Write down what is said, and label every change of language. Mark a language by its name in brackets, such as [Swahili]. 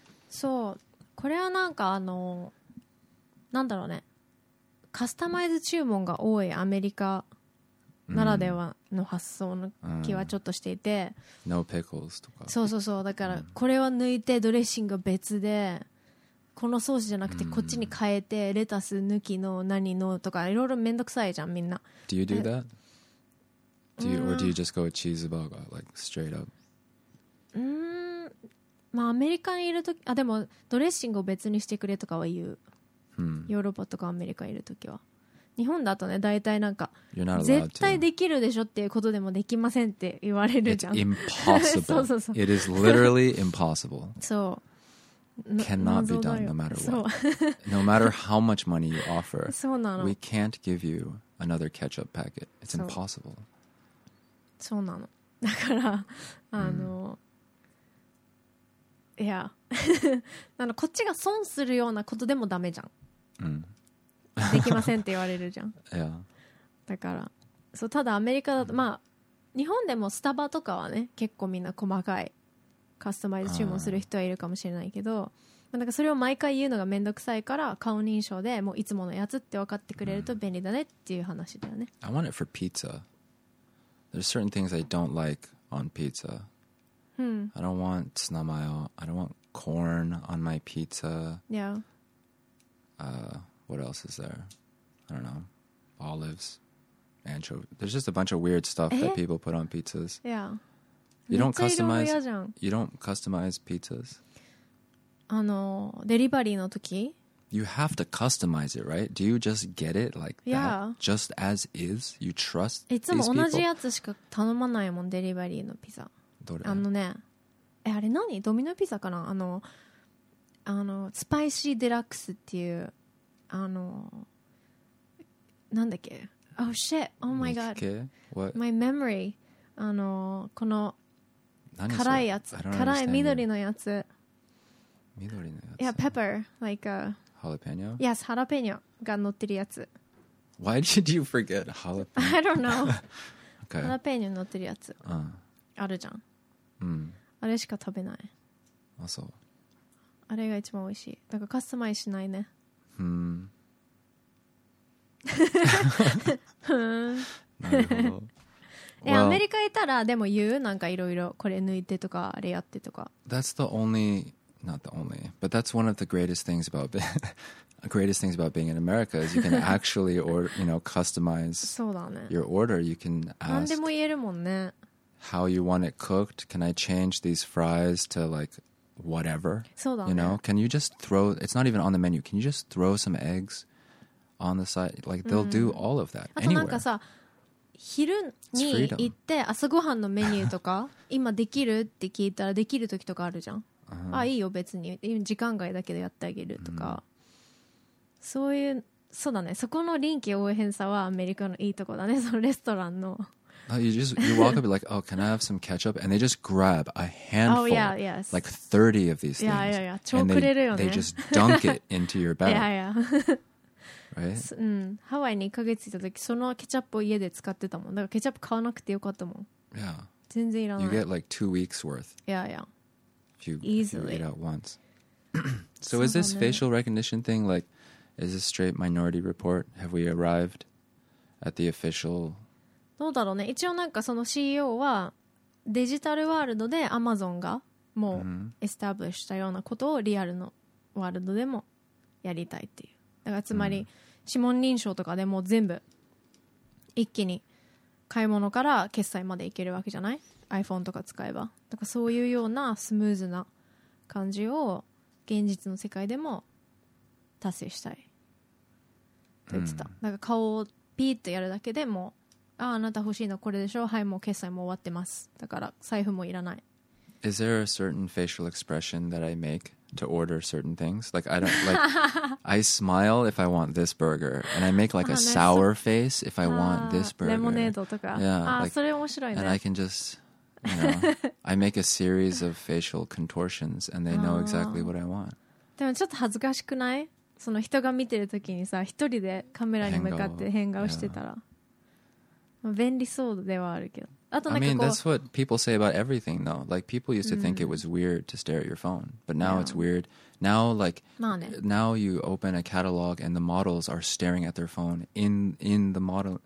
[Japanese] そう、これはなんかあの、なんだろうね、カスタマイズ注文が多いアメリカならではの発想の気はちょっとしていて、 [English] No pickles [Japanese] とか、そうそうそう、だからこれは抜いてドレッシング別で、このソースじゃなくてこっちに変えて、レタス抜きの何のとか、いろいろめんどくさいじゃんみんな。 [English] Do you do that? Do you, or do you just go cheese burger like straight up? [Japanese] まあアメリカにいるとき、あ、でもドレッシングを別にしてくれとかは言う、ヨーロッパとかアメリカにいるときは。日本だとね、大体なんか絶対できるでしょっていうことでもできませんって言われるじゃん。 [English] It's impossible. [Japanese] そうそうそう。 [English] It is literally impossible. [Japanese] そう。 [English] Cannot be done no matter what. [Japanese] そう。 [English] No matter how much money you offer. [Japanese] そうなの。 [English] We can't give you another ketchup packet. It's impossible. [Japanese] そうなの。だから、あの、いや、あの、こっちが損するようなことでもダメじゃん。できませんって言われるじゃん。 [English] Yeah. [Japanese] だから、そう、ただアメリカだと、まあ日本でもスタバとかはね、結構みんな細かいカスタマイズ注文する人はいるかもしれないけど、まあ、なんかそれを毎回言うのがめんどくさいから、顔認証でもういつものやつって分かってくれると便利だねっていう話だよね。 [English] I want it for pizza. There's certain things I don't like on pizza. I don't want ツナマヨ.I don't want corn on my pizza. Yeah. What else is there? I don't know. Olives, anchovies. There's just a bunch of weird stuff that people put on pizzas. Yeah. You don't customize. You don't customize pizzas. [Japanese] デリバリーの時? [English] you have to customize it, right? Do you just get it like that? Yeah. Just as is? You trust these people? [Japanese] いつも同じやつしか頼まないもん、デリバリーのピザ。どれ？あのね、え、あれ何？ドミノピザかな？スパイシーデラックスっていう、なんだっけ？ [English] Oh shit! Oh my god! What? My memory! [Japanese] この辛いやつ、辛い緑のやつ。緑のやつ。 [English] Yeah, pepper, like a jalapeno. Yes, [Japanese] jalapeno が乗ってるやつ。 [English] Why did you forget jalapeno? I don't know. Okay. [Japanese] Jalapeno 乗ってるやつ。あるじゃん。うん。あれしか食べない。あ、そう。あれが一番美味しい。だからカスタマイズしないね。ふん。ふん。なるほど。アメリカいたらでも言う、なんかいろいろこれ抜いてとかあれやってとか。 [English] That's the only. Not the only, but that's one of the greatest things about greatest things about being in America is you can actually order, you know, customize your order. You can ask how you want it cooked. Can I change these fries to like whatever? You know, can you just throw, it's not even on the menu. Can you just throw some eggs on the side? Like they'll do all of that anywhere. [Japanese] あとなんかさ、昼に行って朝ごはんのメニューとか今できるって聞いたらできる時とかあるじゃん。 [English] Uh-huh. [Japanese] あ、いいよ別に、時間外だけどやってあげるとか、そういう、そうだね、そこの臨機応変さはアメリカのいいとこだね、そのレストランの。 [English] You walk up like, oh, can I have some ketchup? And they just grab a handful, oh, yeah, yes. like 30 of these things. Yeah, yeah, yeah. [Japanese] 超くれるよね。 [English] They just dunk it into your bag. Yeah, yeah. right? [Japanese] うん、ハワイに1ヶ月いた時、そのケチャップを家で使ってたもん。だからケチャップ買わなくてよかったもん。 [English] Yeah. [Japanese] 全然いらない。 [English] You get like 2 weeks worth. Yeah, yeah. Easily. You eat out once. So is this facial recognition thing like, is this straight minority report? Have we arrived at the official? [Japanese] どうだろうね。一応なんかその CEO はデジタルワールドで Amazon がもうエスタブリッシュしたようなことをリアルのワールドでもやりたいっていう。だからつまり指紋認証とかでもう全部一気に買い物から決済までいけるわけじゃない？ iPhone とか使えば、だからそういうようなスムーズな感じを現実の世界でも達成したいと言ってた。だから顔をピーッとやるだけでも、ああ、あなた欲しいのこれでしょ、はい、もう決済も終わってます、だから財布もいらない。 [English] Is there a certain facial expression that I make to order certain things? Like I don't like I smile if I want this burger and I make like a sour face if I want this burger. [Japanese] レモネードとか、 [English] yeah, like, [Japanese] それ面白いね。 [English] And I can justYou know, I make a series of facial contortions and they know exactly what I want. [Japanese] でもちょっと恥ずかしくない？その人が見てるときにさ、一人でカメラに向かって変顔してたら、 [English] yeah. [Japanese] 便利そうではあるけど。あとなんかこう、 [English] I mean, that's what people say about everything though. Like people used to think it was weird to stare at your phone, but now it's weird. Now like, [Japanese] まあね、 [English] now you open a catalog and the models are staring at their phone in the model.